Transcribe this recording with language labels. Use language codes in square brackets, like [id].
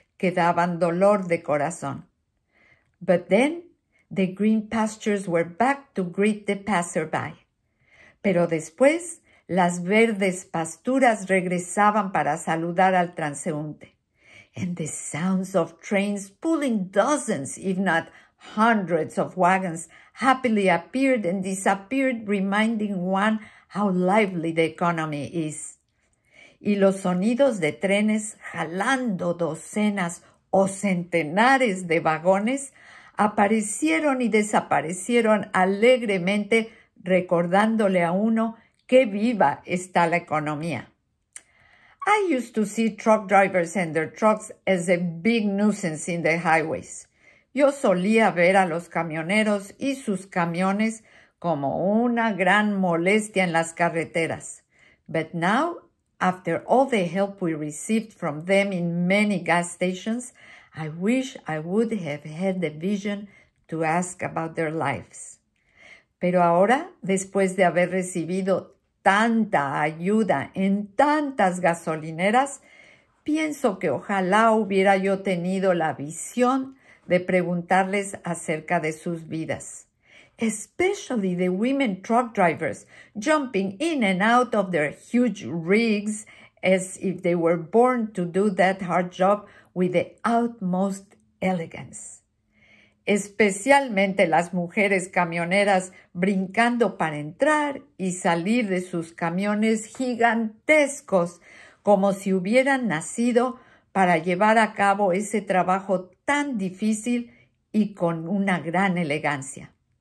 [es] que daban dolor de corazón. [en] But then, the green pastures were back to greet the passerby. [es] Pero después, las verdes pasturas regresaban para saludar al transeúnte. [en] And the sounds of trains pulling dozens, if not hundreds of wagons, happily appeared and disappeared, reminding one how lively the economy is. [es] Y los sonidos de trenes jalando docenas o centenares de vagones aparecieron y desaparecieron alegremente, recordándole a uno qué viva está la economía. [en] I used to see truck drivers and their trucks as a big nuisance in the highways. [es] Yo solía ver a los camioneros y sus camiones como una gran molestia en las carreteras. [en] But now, after all the help we received from them in many gas stations, I wish I would have had the vision to ask about their lives. [es] Pero ahora, después de haber recibido tanta ayuda en tantas gasolineras, pienso que ojalá hubiera yo tenido la visión de preguntarles acerca de sus vidas. [en] Especially the women truck drivers jumping in and out of their huge rigs as if they were born to do that hard job with the utmost elegance. [es] Especialmente las mujeres camioneras brincando para entrar y salir de sus camiones gigantescos como si hubieran nacido para llevar a cabo ese trabajo tan difícil y con una gran elegancia.